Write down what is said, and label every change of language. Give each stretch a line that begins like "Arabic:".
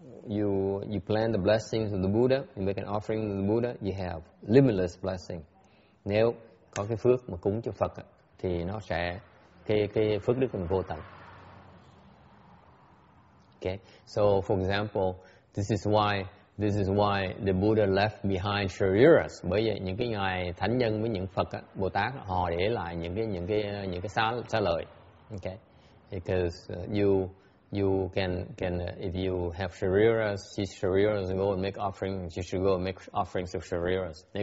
English: you plant the blessings of the Buddha, you make an offering to the Buddha, you have limitless blessing.
Vietnamese: Nếu có cái phước mà cúng cho Phật thì nó sẽ cái phước đức mình vô tận.
English: Okay, so for example, this is why the Buddha left behind Shariras.
Vietnamese: Bởi vậy những cái ngài thánh nhân với những Phật á, Bồ Tát họ để lại những cái xá lợi.
English: Okay, because if you have Shariras, see Shariras and go and make offerings, you should go and make offerings of Shariras.